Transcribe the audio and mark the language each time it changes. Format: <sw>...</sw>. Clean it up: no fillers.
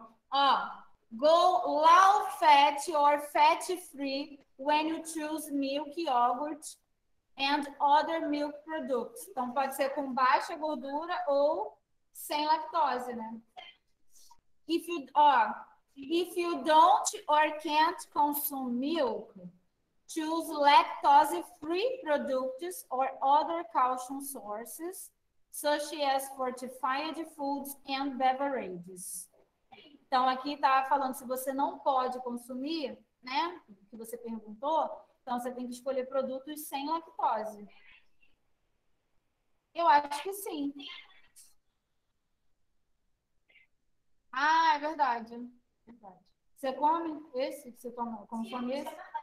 <en>Ó, go low fat or fat free when you choose milk, yogurt and other milk products.</en> <pt>Então pode ser com baixa gordura ou sem lactose, né?</pt> <en>If you don't or can't consume milk, choose lactose-free products or other calcium sources, such as fortified foods and beverages.</en> <pt>Então, aqui está falando se você não pode consumir, né? Que você perguntou, então você tem que escolher produtos sem lactose. Eu acho que sim. Ah, é verdade. Você come esse que você tomou? Consome esse?</pt>